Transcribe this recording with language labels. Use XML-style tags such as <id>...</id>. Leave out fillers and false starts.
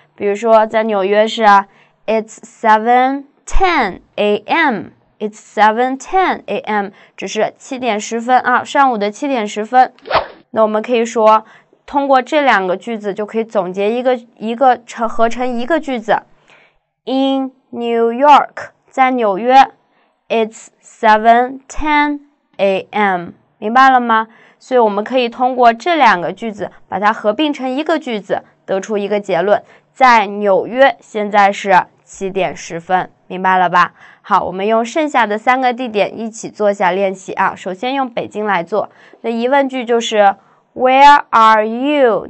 <zh>比如说在纽约是 It's 7:10 a.m. It's 7:10 a.m. 只是7:10啊，上午的7:10。那我们可以说，通过这两个句子就可以总结合成一个句子。</zh> <en>In New York，在纽约，It's 7:10 a.m.</en> <zh>明白了吗？所以我们可以通过这两个句子把它合并成一个句子，得出一个结论：在纽约现在是。 7:10，明白了吧？好，我们用剩下的三个地点一起做下练习啊。首先用北京来做，那疑问句就是 Where are you?</zh>